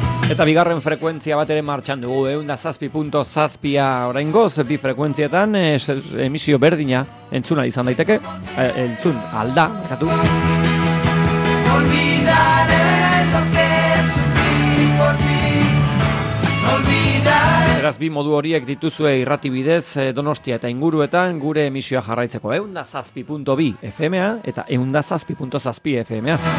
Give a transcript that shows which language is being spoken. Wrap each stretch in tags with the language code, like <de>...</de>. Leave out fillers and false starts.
<eu>Eta bigarren frekuentzia bat ere martxan dugu, 107.7a oraingoz, bi frekuentzietan emisio berdina entzuna izan daiteke, entzun alda, katu.</eu> <es>Olvidaré lo que sufrí por ti, olvidaré.</es> <eu>Beraz, bi modu horiek dituzue irrati bidez Donostia eta inguruetan gure emisioa jarraitzeko 107.2 FM-a eta 107.7 FM-a.</eu>